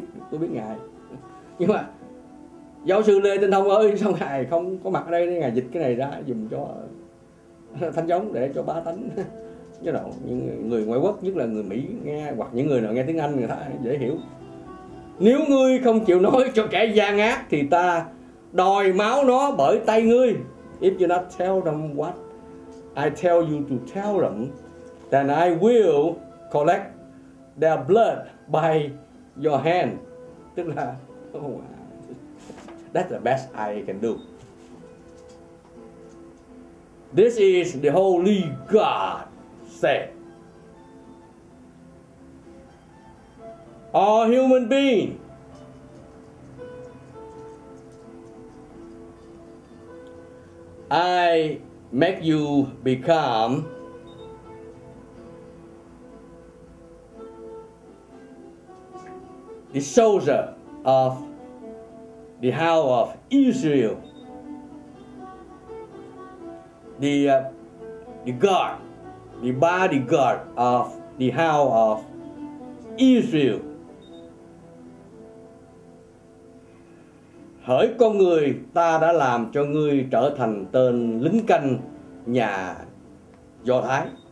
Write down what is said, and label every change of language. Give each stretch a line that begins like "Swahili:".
Vietnamese: Tôi biết ngài, nhưng mà giáo sư Lê Tinh Thông ơi, sao ngài không có mặt ở đây để ngài dịch cái này ra dùm cho thánh giống, để cho ba thánh, you know, những người ngoại quốc, nhất là người Mỹ nghe, hoặc những người nào nghe tiếng Anh, người ta dễ hiểu. Nếu ngươi không chịu nói cho kẻ gian ác, thì ta đòi máu nó bởi tay ngươi.
English: If you not tell them what I tell you to tell them, then I will collect their blood by your hand.
Vietnamese: Tức là,
English: oh, that's the best I can do. This is the Holy God. All human beings I make you become the soldier of the house of Israel, the God, the bodyguard of the house of Israel.
Vietnamese: Hỡi con người, ta đã làm cho ngươi trở thành tên lính canh nhà Do Thái.